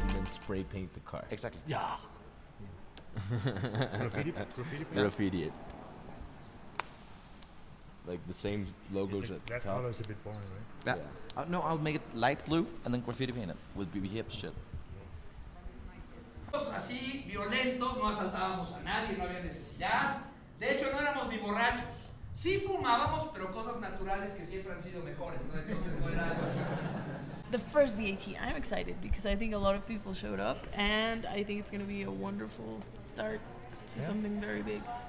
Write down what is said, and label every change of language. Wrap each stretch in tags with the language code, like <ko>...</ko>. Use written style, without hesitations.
<en>Spray paint the car. Exactly. Yeah. Graffiti it. Like the same logos at the top. That color is a bit boring, right? Yeah. No, I'll make it light blue and then graffiti paint it with BB Hip shit.</en> <es>Así, violentos, no asaltábamos a nadie, no había necesidad. De hecho, no éramos ni borrachos. Sí fumábamos, pero cosas naturales que siempre han sido mejores. Entonces no era algo así.</es> <en>The first BAT, I'm excited because I think a lot of people showed up and I think it's going to be a wonderful start to something very big.</en>